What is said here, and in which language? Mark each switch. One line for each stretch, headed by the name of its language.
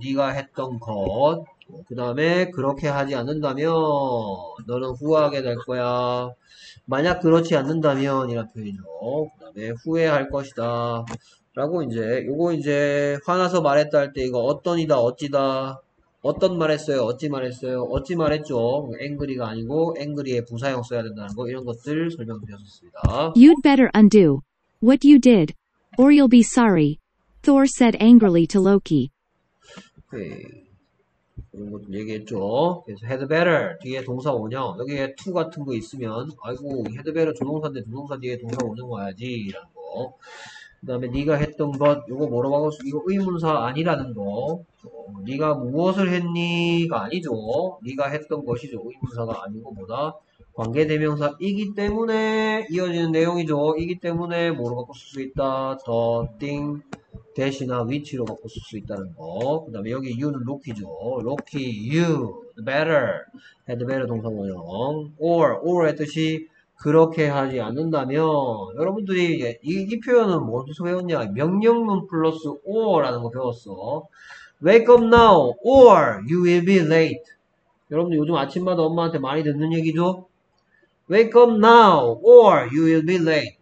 Korean: 네가 했던 것. 그다음에 그렇게 하지 않는다면 너는 후회하게 될 거야. 만약 그렇지 않는다면 이란 표현이죠. 그다음에 후회할 것이다 라고 이제 요거 이제 화나서 말했다 할때 이거 어떤이다 어찌다 어떤 말했어요 어찌 말했어요 어찌 말했죠. angry가 아니고 angry의 부사형 써야 된다는 거 이런 것들 설명드렸습니다.
English: You'd better undo what you did, or you'll be sorry, Thor said angrily to Loki.
Korean: 이런 것도 얘기했죠. 그래서 had better 뒤에 동사 원형 여기에 to 같은 거 있으면 아이고 had better 조동사인데 조동사 뒤에 동사 원형 와야지 이런 거. 그다음에 네가 했던 것 이거 뭐라고 하고 이거 의문사 아니라는 거. 네가 무엇을 했니가 아니죠. 네가 했던 것이죠. 의문사가 아니고 뭐다 관계대명사이기 때문에 이어지는 내용이죠. 이기 때문에 뭐로 바꿀 수 있다 the thing 대시나 위치로 바꿀 수 있다는 거. 그 다음에 여기 you는 로키죠. 로키, you, better, had better 동사원형. or 했듯이 그렇게 하지 않는다면 여러분들이 이 표현은 어디서 배웠냐. 명령문 플러스 or라는 거 배웠어.
English: wake up now or you will be late.
Korean: 여러분들 요즘 아침마다 엄마한테 많이 듣는 얘기죠.
English: Wake up now, or you will be late.